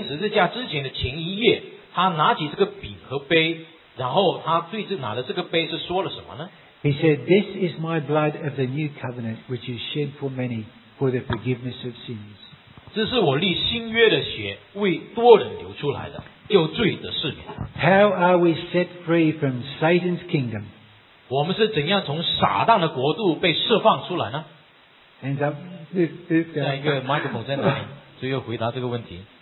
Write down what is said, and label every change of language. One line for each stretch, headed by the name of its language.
Chinese: 所以当在耶稣被钉十字架之前的前一夜, 他拿起这个饼和杯, 然后他对着拿的这个杯是说了什么呢?
English: He said, "This is my blood of the new covenant, which is shed for many for the forgiveness of sins."
Chinese: 这是我立新约的血为多人流出来的, 有罪的赦免.
English: How are we set free from Satan's kingdom?
Chinese: 我们是怎样从撒旦的国度被释放出来呢?
English: Hands up.
Chinese: 下一个麦克风在哪里？最后回答这个问题。